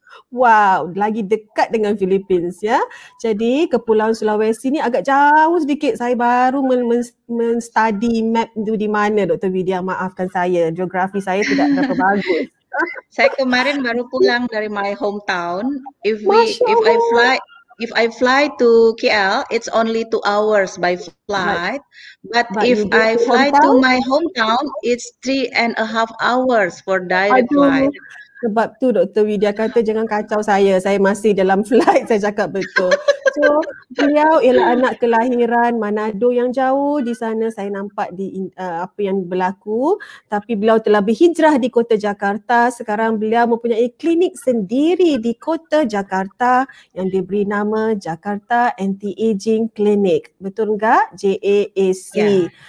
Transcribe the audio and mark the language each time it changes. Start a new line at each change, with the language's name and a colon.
Malay: Wow, lagi dekat dengan Philippines ya. Jadi Kepulauan Sulawesi ni agak jauh sedikit. Saya baru men-study map tu di mana, Dr. Widya. Maafkan saya, geografi saya tidak berapa bagus. Saya kemarin baru pulang dari
English: my hometown. If I fly to KL, it's only 2 hours by flight. But if I fly to my hometown, it's 3.5 hours for direct flight.
Malay: Sebab tu Dr. Widya kata jangan kacau saya masih dalam flight, saya cakap betul. So, beliau ialah anak kelahiran Manado yang jauh. Di sana saya nampak di apa yang berlaku. Tapi beliau telah berhijrah di kota Jakarta. Sekarang beliau mempunyai klinik sendiri di kota Jakarta yang diberi nama Jakarta Anti-Aging Clinic. Betul enggak? JAAC. Yeah.